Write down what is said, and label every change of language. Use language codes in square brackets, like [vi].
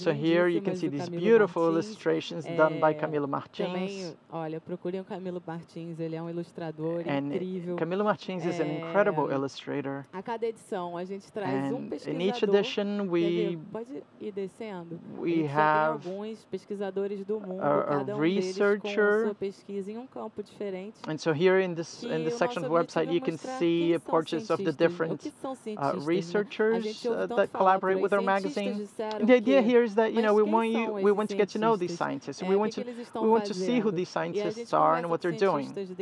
[en] So here you can see these beautiful illustrations done by Camilo Martins. [pt] Também, olha, procurem o Camilo Martins, ele é um ilustrador incrível. [en] Camilo Martins is an incredible illustrator. [pt] A cada edição a gente traz um pesquisador. [en] In each edition we [pt] pode ir descendo. [en] We have [pt] alguns pesquisadores do mundo, cada um deles com sua pesquisa em um campo diferente. [en] And so here in this section of the website you can see a portrait of the different researchers that collaborate with our magazine. The idea here is that, you know, we want to get to know these scientists. And we want to see who these scientists are and what they're doing.